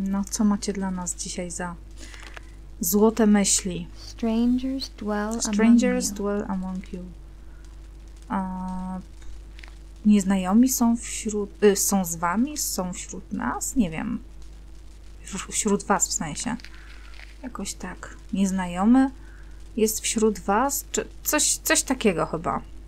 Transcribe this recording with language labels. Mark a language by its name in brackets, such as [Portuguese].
[Polish] Co macie dla nas dzisiaj za złote myśli? [English] Strangers dwell among you. Strangers dwell among you. [Polish] Nieznajomi są wśród... są z wami? Są wśród nas? Nie wiem. Wśród was w sensie. Jakoś tak. Nieznajomy jest wśród was? Czy coś takiego chyba.